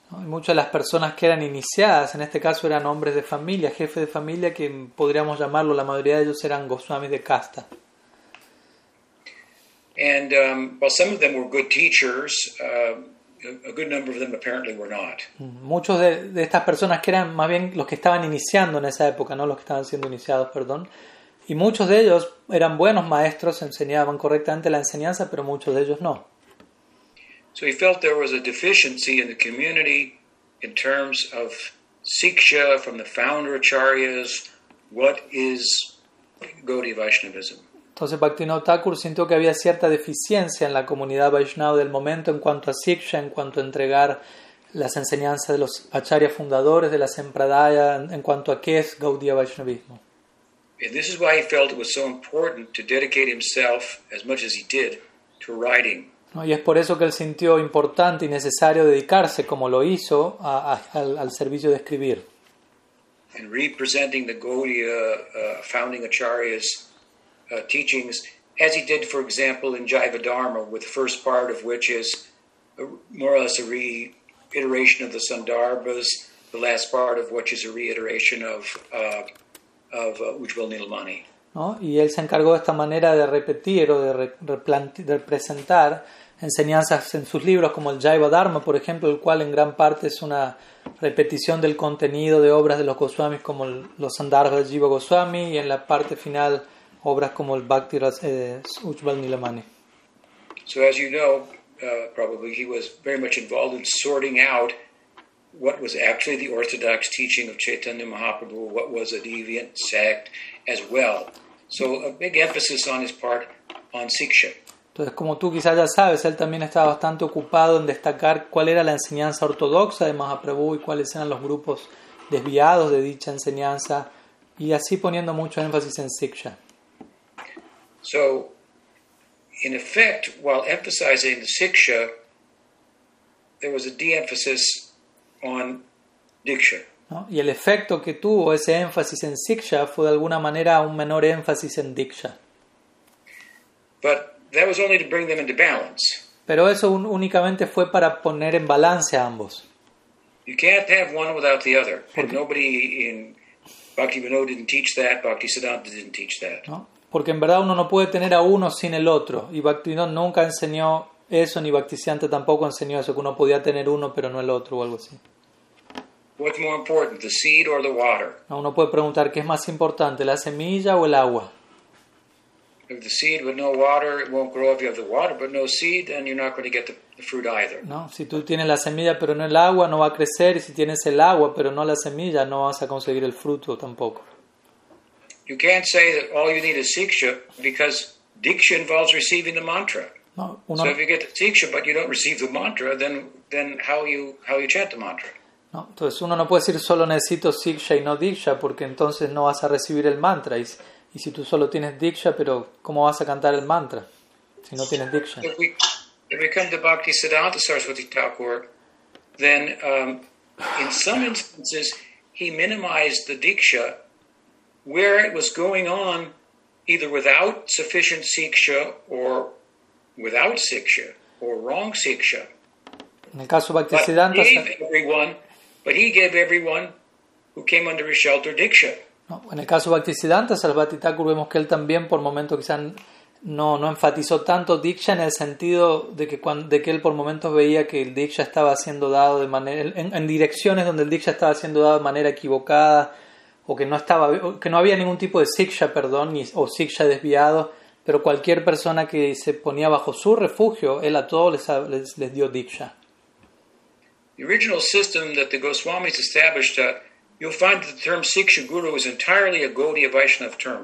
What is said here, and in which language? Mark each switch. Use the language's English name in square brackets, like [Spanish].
[Spanish] Muchas de las personas que eran iniciadas, en este caso eran hombres de familia, jefes de familia, que podríamos llamarlo, la mayoría de ellos eran Goswamis de casta. [English] And while some of them were good teachers, a good number of them apparently were not. [Spanish] Muchos de estas personas que eran más bien los que estaban iniciando en esa época, no los que estaban siendo iniciados, perdón. Y muchos de ellos eran buenos maestros, enseñaban correctamente la enseñanza, pero muchos de ellos no. [English] So he felt there was a deficiency in the community in terms of siksha from the founder acharyas. What is Gaudiya Vaishnavism? [Spanish] Entonces Bhaktivinoda Thakur sintió que había cierta deficiencia en la comunidad Vaishnava del momento en cuanto a siksha, en cuanto a entregar las enseñanzas de los acharyas fundadores, de la sampradaya, en cuanto a qué es Gaudiya Vaishnavismo. [English] And this is why he felt it was so important to dedicate himself as much as he did to writing. [Spanish] ¿No? Y es por eso que él sintió importante y necesario dedicarse, como lo hizo, al servicio de escribir. [English] And representing the Gaudiya founding acharya's teachings, as he did, for example, in Jiva Dharma, with the first part of which is more or less a reiteration of the Sandarbhas, the last part of which is a reiteration of Ujjvala Nilamani. [Spanish] ¿No? Y él se encargó de esta manera de repetir o de presentar enseñanzas en sus libros como el Jiva Dharma, por ejemplo, el cual en gran parte es una repetición del contenido de obras de los Goswamis como los Sandarbhas de Jiva Goswami y en la parte final obras como el Bhakti Ujjvala Nilamani. [English] So as you know, probably he was very much involved in sorting out what was actually the orthodox teaching of Chaitanya Mahaprabhu, what was a deviant sect as well. So a big emphasis on his part on siksha. [Spanish] Entonces, como tú quizás ya sabes, él también estaba bastante ocupado en destacar cuál era la enseñanza ortodoxa de Mahaprabhu y cuáles eran los grupos desviados de dicha enseñanza, y así poniendo mucho énfasis en siksha. [English] So, in effect, while emphasizing the siksha, there was a de-emphasis on diksha. [Spanish] ¿No? Y el efecto que tuvo ese énfasis en siksha fue de alguna manera un menor énfasis en diksha. [English] But that was only to bring them into balance. [Spanish] Pero eso únicamente fue para poner en balance a ambos. [English] You can't have one without the other. [Spanish] Porque, [English] and nobody in Bhaktivinoda didn't teach that. Bhaktisiddhanta didn't teach that. [Spanish] ¿No? Porque en verdad uno no puede tener a uno sin el otro. Y Bhaktivinoda nunca enseñó eso, ni Bhaktisiddhanta tampoco enseñó eso, que uno podía tener uno pero no el otro o algo así. [English] What's more important, the seed or the water? [Spanish] ¿No? Uno puede preguntar qué es más importante, la semilla o el agua. [English] If the seed but no water, it won't grow. If you have the water but no seed, then you're not going to get the fruit either. [Spanish] No, si tú tienes la semilla pero no el agua, no va a crecer. Y si tienes el agua pero no la semilla, no vas a conseguir el fruto tampoco. [English] You can't say that all you need is siksha because diksha involves receiving the mantra. [Spanish] No, [English] uno, so if you get the siksha but you don't receive the mantra, then how you chant the mantra? [Spanish] No, entonces uno no puede decir solo necesito siksha y no diksha porque entonces no vas a recibir el mantra. Y si tú solo tienes diksha, pero ¿cómo vas a cantar el mantra si no tienes diksha? [English] If we come to Bhaktisiddhanta Saraswati Thakur, then in some instances he minimized the diksha where it was going on either without sufficient siksha or without siksha or wrong siksha. [Spanish] En el caso de Bhaktisiddhanta, [English] but he gave everyone who came under his shelter diksha. [Spanish] ¿no? En el caso de Bhaktisiddhanta Sarasvati Thakur vemos que él también por momentos quizás no enfatizó tanto Diksha en el sentido de que él por momentos veía que el Diksha estaba siendo dado de manera en direcciones donde el Diksha estaba siendo dado de manera equivocada o que no estaba que no había ningún tipo de Siksha, perdón, o Siksha desviado, pero cualquier persona que se ponía bajo su refugio, él a todos les dio Diksha. [English] The original system that the Goswamis established, you'll find that the term Siksha Guru is entirely a Gaudiya Vaishnava term.